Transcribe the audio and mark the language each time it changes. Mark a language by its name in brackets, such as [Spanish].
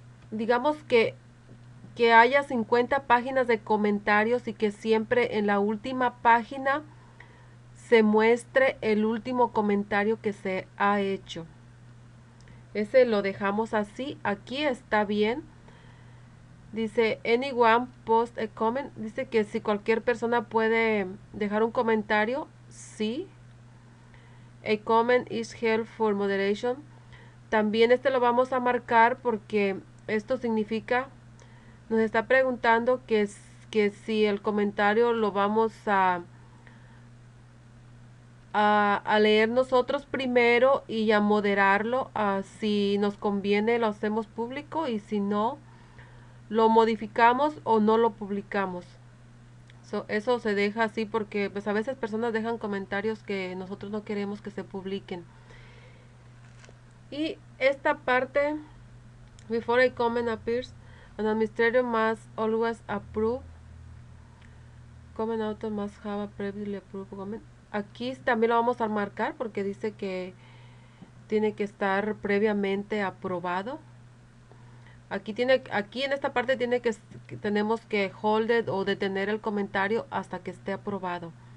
[Spanish] Digamos que haya 50 páginas de comentarios y que siempre en la última página se muestre el último comentario que se ha hecho. Ese lo dejamos así. Aquí está bien. Dice [English] anyone post a comment. [Spanish] Dice que si cualquier persona puede dejar un comentario. Sí. [English] A comment is held for moderation. [Spanish] También este lo vamos a marcar porque esto significa, nos está preguntando que si el comentario lo vamos a leer nosotros primero y a moderarlo. Si nos conviene, lo hacemos público y si no, lo modificamos o no lo publicamos. Eso se deja así porque pues a veces personas dejan comentarios que nosotros no queremos que se publiquen. Y esta parte, [English] before a comment appears, an administrator must always approve. Comment author must have a previously approved comment. [Spanish] Aquí también lo vamos a marcar porque dice que tiene que estar previamente aprobado. Aquí en esta parte tenemos que [English] hold it [Spanish] o detener el comentario hasta que esté aprobado.